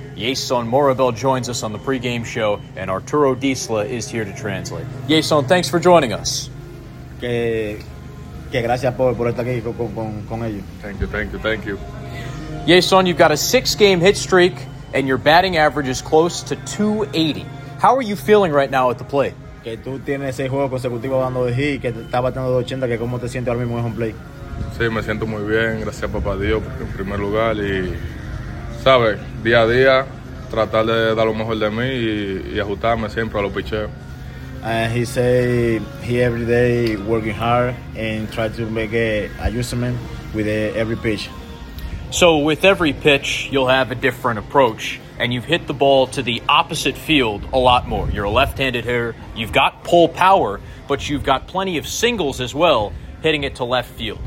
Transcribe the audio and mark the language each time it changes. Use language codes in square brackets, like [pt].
[en] Yason Morabel joins us on the pregame show, and Arturo Disla is here to translate. Yason, thanks for joining us. [es] Que gracias por estar aquí con ellos. [en] Thank you. Yason, you've got a 6-game hit streak, and your batting average is close to 280. How are you feeling right now at the plate? [es] Que tú tienes 6 juegos consecutivos dando de hit, que estás batiendo 280, que cómo te sientes ahora mismo en home plate. Sí, me siento muy bien, gracias a papá Dios en primer lugar y, ¿sabes? Día a día, tratar de dar lo mejor de mí y ajustarme siempre a los picheos. [en] He said he every day working hard and try to make an adjustment with every pitch. So with every pitch, you'll have a different approach, and you've hit the ball to the opposite field a lot more. You're a left-handed hitter. You've got pull power, but you've got plenty of singles as well, hitting it to left field.